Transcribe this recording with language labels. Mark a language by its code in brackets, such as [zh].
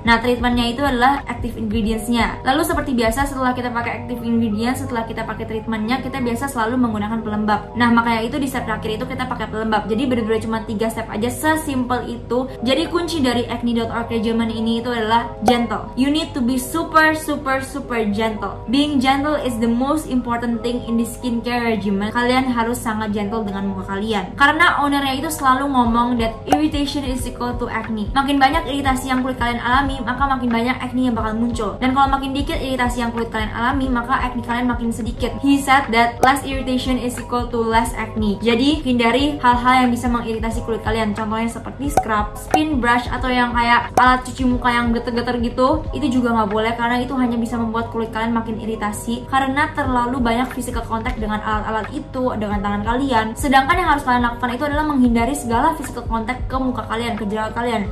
[id] Nah, treatmentnya itu adalah active ingredientsnya. Lalu seperti biasa, setelah kita pakai active ingredients, setelah kita pakai treatmentnya, kita biasa selalu menggunakan pelembab. Nah, makanya itu di step terakhir itu kita pakai pelembab. Jadi benar-benar cuma 3 step aja, sesimpel itu. Jadi kunci dari acne.org regimen ini itu adalah gentle. [en] You need to be super super super gentle. Being gentle is the most important thing in the skincare regimen. [id] Kalian harus sangat gentle dengan muka kalian. Karena ownernya itu selalu ngomong [en] that irritation is equal to acne. [id] Makin banyak iritasi yang kulit kalian alami, maka makin banyak acne yang bakal muncul. Dan kalau makin dikit iritasi yang kulit kalian alami, maka acne kalian makin sedikit. [en] He said that less irritation is equal to less acne. [id] Jadi hindari hal-hal yang bisa mengiritasi kulit kalian. Contohnya seperti scrub, spin brush, atau yang kayak alat cuci muka yang geter-geter gitu. Itu juga gak boleh, karena itu hanya bisa membuat kulit kalian makin iritasi, karena terlalu banyak physical contact dengan alat-alat itu, dengan tangan kalian. Sedangkan yang harus kalian lakukan itu adalah menghindari segala physical contact ke muka kalian, ke jerawat kalian.